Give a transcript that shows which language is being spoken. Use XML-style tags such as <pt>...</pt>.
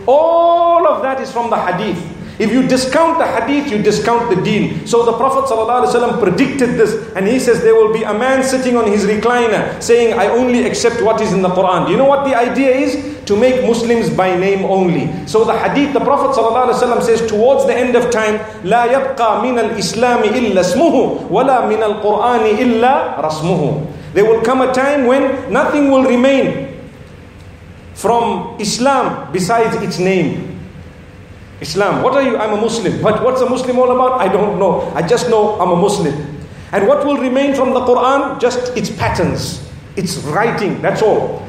<en>All of that is from the hadith. If you discount the hadith, you discount the deen. So the Prophet ﷺ predicted this, and he says there will be a man sitting on his recliner saying, I only accept what is in the Quran. Do you know what the idea is? To make Muslims by name only. So the hadith, the Prophet ﷺ says towards the end of time,</en> <ar>لا يبقى من الإسلام إلا اسمه ولا من القرآن إلا رسمه.</ar> <en>There will come a time when nothing will remain from Islam besides its name. Islam, what are you? I'm a Muslim. But what's a Muslim all about? I don't know. I just know I'm a Muslim. And what will remain from the Quran? Just its patterns, its writing, that's all.</en>